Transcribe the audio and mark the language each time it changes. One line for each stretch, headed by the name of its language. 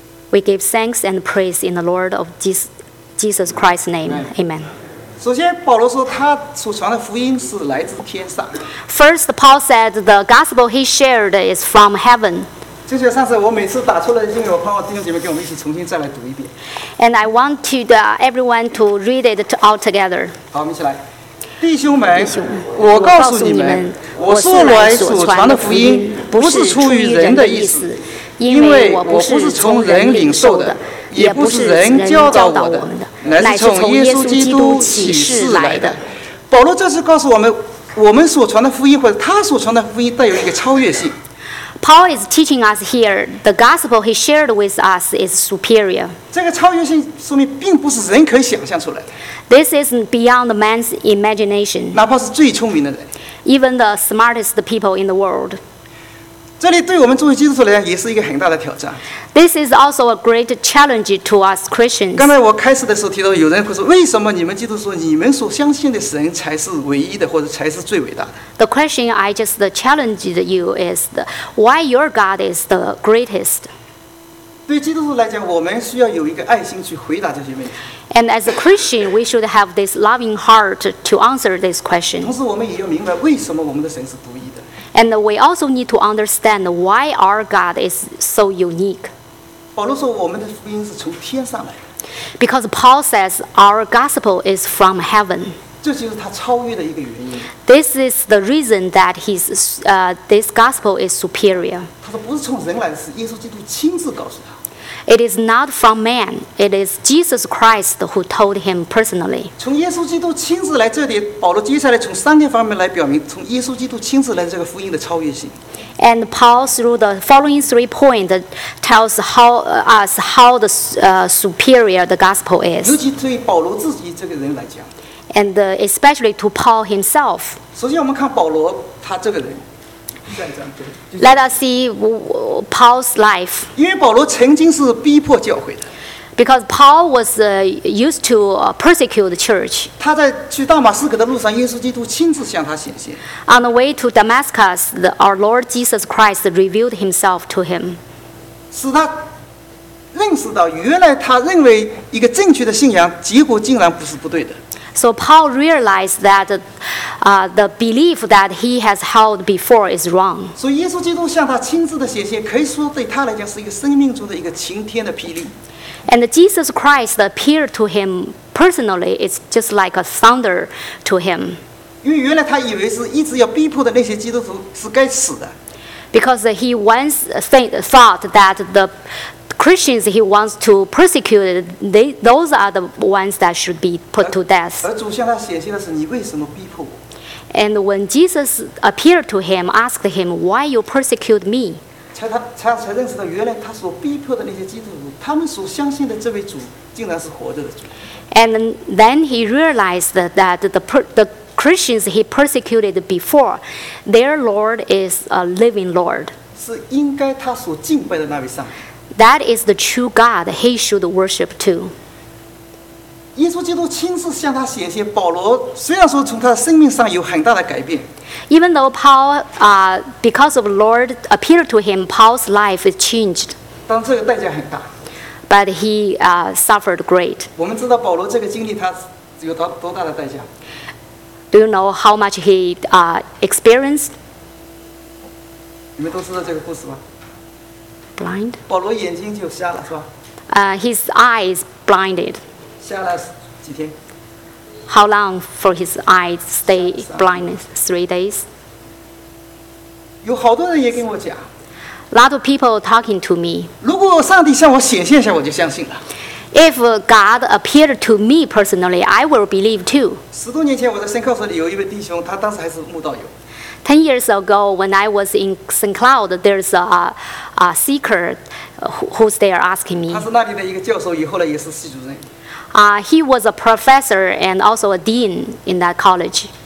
English: We give thanks and praise in the Lord of Jesus Christ's name. Amen.
Chinese: 首先，保罗说他所传的福音是来自天上。
English: First, Paul said the gospel he shared is from heaven.
Chinese: 就像上次我每次打出来的经文，我盼望弟兄姐妹跟我们一起重新再来读一遍。
English: And I want to the everyone to read it all together.
Chinese: 好，我们一起来。弟兄们，我告诉你们，我素来所传的福音不是出于人的意思，因为我不是从人领受的，也不是人教导我们的，乃是从耶稣基督启示来的。保罗这次告诉我们，我们所传的福音或者他所传的福音带有一个超越性。
English: Paul is teaching us here the gospel he shared with us is superior.
Chinese: 这个超越性说明并不是人可以想象出来的。
English: This is beyond man's imagination.
Chinese: 哪怕是最聪明的人。
English: Even the smartest people in the world.
Chinese: 这里对我们作为基督徒来讲也是一个很大的挑战。
English: This is also a great challenge to us Christians.
Chinese: 刚才我开始的时候提到，有人会说，为什么你们基督徒说你们所相信的神才是唯一的，或者才是最伟大的？
English: The question I just challenged you is why your God is the greatest.
Chinese: 对基督徒来讲，我们需要有一个爱心去回答这些问题。
English: And as a Christian, we should have this loving heart to answer this question.
Chinese: 同时，我们也要明白为什么我们的神是独一的。
English: And we also need to understand why our God is so unique.
Chinese: 保罗说我们的福音是从天上来的。
English: Because Paul says our gospel is from heaven.
Chinese: 这就是他超越的一个原因。
English: This is the reason that he's, this gospel is superior.
Chinese: 他说不是从人来的，是耶稣基督亲自告诉他。
English: It is not from man. It is Jesus Christ who told him personally.
Chinese: 从耶稣基督亲自来这里，保罗接下来从三个方面来表明，从耶稣基督亲自来这个福音的超越性。
English: And Paul, through the following three points, tells how, us how the, superior the gospel is.
Chinese: 尤其对保罗自己这个人来讲。
English: And especially to Paul himself.
Chinese: 首先我们看保罗他这个人。
English: Let us see Paul's life.
Chinese: 因为保罗曾经是逼迫教会的。
English: Because Paul was used to persecute the church.
Chinese: 他在去大马士革的路上，耶稣基督亲自向他显现。
English: On the way to Damascus, our Lord Jesus Christ revealed himself to him.
Chinese: 使他认识到，原来他认为一个正确的信仰，结果竟然不是不对的。
English: So Paul realized that the belief that he has held before is wrong. So
Chinese: 耶稣基督向他亲自的显现，可以说对他来讲是一个生命中的一个晴天的霹雳。
English: And Jesus Christ appeared to him personally. It's just like a thunder to him.
Chinese: 因为原来他以为是一直要逼迫的那些基督徒是该死的。
English: Because he once thought that the Christians he wants to persecute, those are the ones that should be put to death.
Chinese: 而主向他显现的是，你为什么逼迫我？
English: And when Jesus appeared to him, asked him, why you persecute me?
Chinese: 才认识到原来他所逼迫的那些基督徒，他们所相信的这位主竟然是活着的主。
English: And then he realized that the Christians he persecuted before, their Lord is a living Lord.
Chinese: 是应该他所敬拜的那位上帝。
English: That is the true God he should worship too.
Chinese: 耶稣基督亲自向他显现，保罗虽然说从他的生命上有很大的改变。
English: Even though Paul, because of the Lord appeared to him, Paul's life is changed.
Chinese: 但这个代价很大。
English: But he, suffered great.
Chinese: 我们知道保罗这个经历他有多大的代价。
English: Do you know how much he, experienced?
Chinese: 你们都知道这个故事吗？
English: Blind.
Chinese: 保罗眼睛就瞎了，是吧？
English: His eyes blinded.
Chinese: 瞎了几天？
English: How long for his eyes stay blind? 3 days.
Chinese: 有好多人也跟我讲。
English: Lot of people talking to me.
Chinese: 如果上帝向我显现一下，我就相信了。
English: If God appeared to me personally, I will believe too.
Chinese: 十多年前我在圣克所里有一位弟兄，他当时还是慕道友。
English: 10 years ago, when I was in St. Cloud, there's a seeker who's there asking me. He was a professor and also a dean in that college.